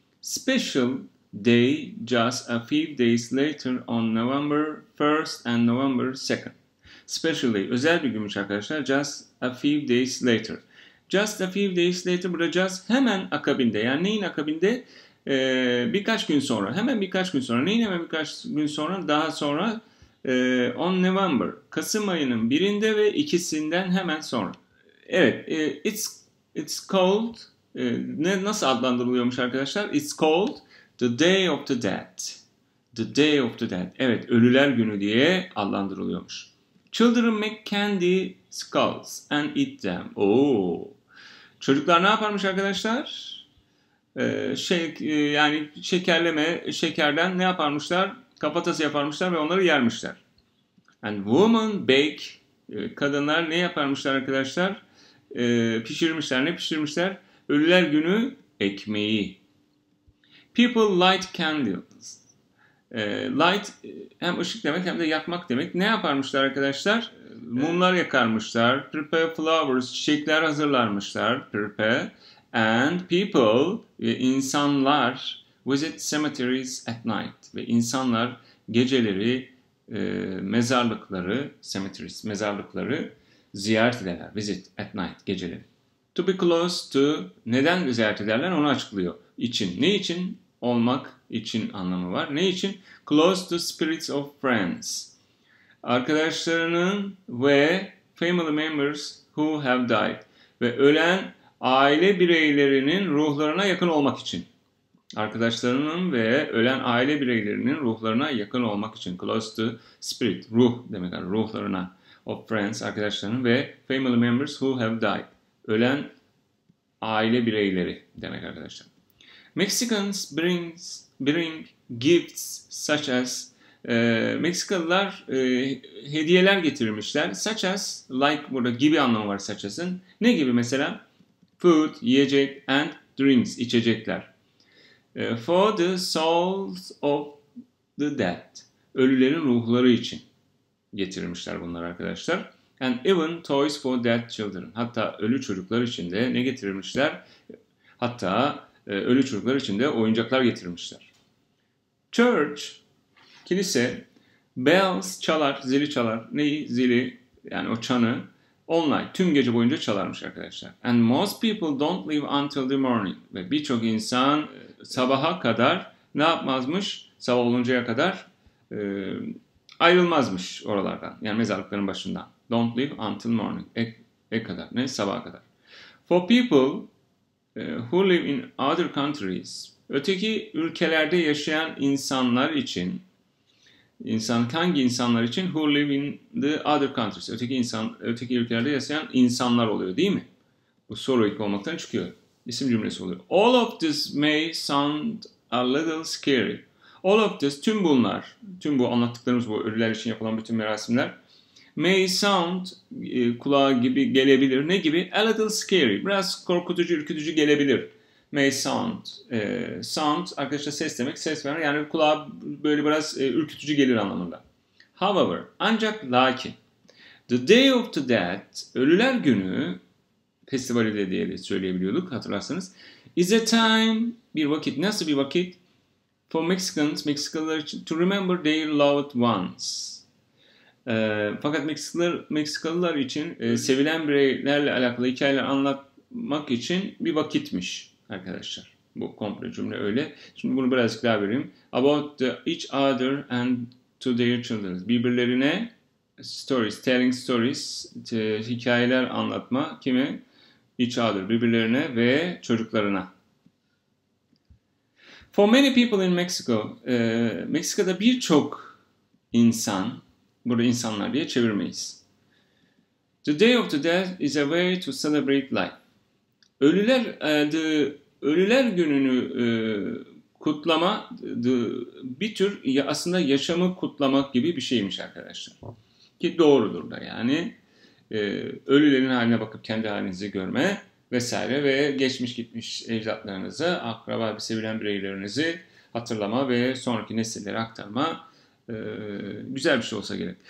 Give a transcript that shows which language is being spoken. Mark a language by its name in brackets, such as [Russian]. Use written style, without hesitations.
[English] Special day just a few days later on November 1st and November 2nd. [Turkish] Specially, özel bir günmüş arkadaşlar. [English] Just a few days later. Just a few days later, [Turkish] burada [English] just [Turkish] hemen akabinde. Yani neyin akabinde? Birkaç gün sonra. Hemen birkaç gün sonra. Neyin hemen birkaç gün sonra? Daha sonra. [English] On November. [Turkish] Kasım ayının birinde ve ikisinden hemen sonra. Evet. [English] It's called. [Turkish] Nasıl adlandırılıyormuş arkadaşlar? [English] It's called the Day of the Dead. The Day of the Dead. Evet. [Turkish] Ölüler günü diye adlandırılıyormuş. [English] Children make candy skulls and eat them. [Turkish] Oo. Çocuklar ne yaparmış arkadaşlar? Yani şekerden ne yaparmışlar? Kafatası yaparmışlar ve onları yermişler. [English] And woman bake, [Turkish] kadınlar ne yaparmışlar arkadaşlar? Pişirmişler, ne pişirmişler? Ölüler günü ekmeği. [English] People light candles. [Turkish] Light hem ışık demek hem de yakmak demek. Ne yaparmışlar arkadaşlar? Mumlar yakarmışlar. [English] Prepare flowers, [Turkish] çiçekler hazırlarmışlar. [English] Prepare. And people, insanlar visit cemeteries at night. [Turkish] Ve insanlar geceleri mezarlıkları, cemeteries, mezarlıkları ziyaret ederler. [English] Visit at night, geceleri. To be close to, [Turkish] neden ziyaret ederler onu açıklıyor. İçin, ne için? Olmak için anlamı var. Ne için? [English] Close to spirits of friends. [Turkish] Arkadaşlarının ve [English] family members who have died. [Turkish] Ve ölen aile bireylerinin ruhlarına yakın olmak için. Arkadaşlarının ve ölen aile bireylerinin ruhlarına yakın olmak için. [English] Close to spirit, [Turkish] ruh demek. Ruhlarına [English] of friends, [Turkish] arkadaşlarının ve [English] family members who have died. [Turkish] Ölen aile bireyleri demek arkadaşlar. [English] Mexicans bring gifts such as [Turkish] Meksikalılar hediyeler getirmişler. [English] Such as, like [Turkish] burada gibi anlamı var such as'ın. Ne gibi mesela? [English] Food, yiyecek and drinks, içecekler. For the souls of the dead. [Turkish] Ölülerin ruhları için getirmişler bunları arkadaşlar. [English] And even toys for dead children. [Turkish] Hatta ölü çocuklar için de ne getirmişler? Hatta ölü çocuklar için de oyuncaklar getirmişler. Church, kilise, bells, çalar, zili çalar. Neyi? Zili, yani o çanı. [English] All night, [Turkish] tüm gece boyunca çalarmış arkadaşlar. [English] And most people don't leave until the morning. [Turkish] Ve birçok insan sabaha kadar ne yapmazmış? Sabah oluncaya kadar ayrılmazmış oralardan. Yani mezarlıkların başından. [English] Don't leave until morning. [Turkish] Kadar, ne? Sabaha kadar. [English] For people who live in other countries, [Turkish] öteki ülkelerde yaşayan insanlar için, hangi insanlar için? [English] Who live in the other countries? [Turkish] Öteki ülkelerde yaşayan insanlar oluyor, değil mi? Bu soru ilk olmaktan çıkıyor. İsim cümlesi oluyor. [English] All of this may sound a little scary. All of this, [Turkish] tüm bunlar, tüm bu anlattıklarımız, bu ölüler için yapılan bütün merasimler, [English] may sound, [Turkish] kulağa gibi gelebilir. Ne gibi? [English] A little scary. [Turkish] Biraz korkutucu, ürkütücü gelebilir. [English] May sound. [Turkish] Sound, arkadaşlar ses demek. Ses vermek. Yani kulağa böyle biraz ürkütücü gelir anlamında. However, ancak lakin. The Day of the Dead, ölüler günü, festivali de diye söyleyebiliyorduk hatırlarsanız. [English] Is a time, [Turkish] bir vakit, nasıl bir vakit? [English] For Mexicans, [Turkish] Meksikalılar için, [English] to remember their loved ones. [Turkish] Fakat Meksikalılar için sevilen bireylerle alakalı hikayeler anlatmak için bir vakitmiş arkadaşlar. Bu komple cümle öyle. Şimdi bunu birazcık daha vereyim. [English] About each other and to their children. [Turkish] Birbirlerine stories, [English] telling stories, [Turkish] hikayeler anlatma. Kime? [English] Each other, [Turkish] birbirlerine ve çocuklarına. [English] For many people in Mexico, [Turkish] Meksika'da birçok insan, burada insanlar diye çevirmeyiz. [English] The Day of the Dead is a way to celebrate life. [Turkish] Ölüler ölüler gününü kutlama bir tür aslında yaşamı kutlamak gibi bir şeymiş arkadaşlar. Ki doğrudur da yani. Ölülerin haline bakıp kendi halinizi görme vesaire ve geçmiş gitmiş ecdatlarınızı, akraba bir sevilen bireylerinizi hatırlama ve sonraki nesillere aktarma güzel bir şey olsa gerek.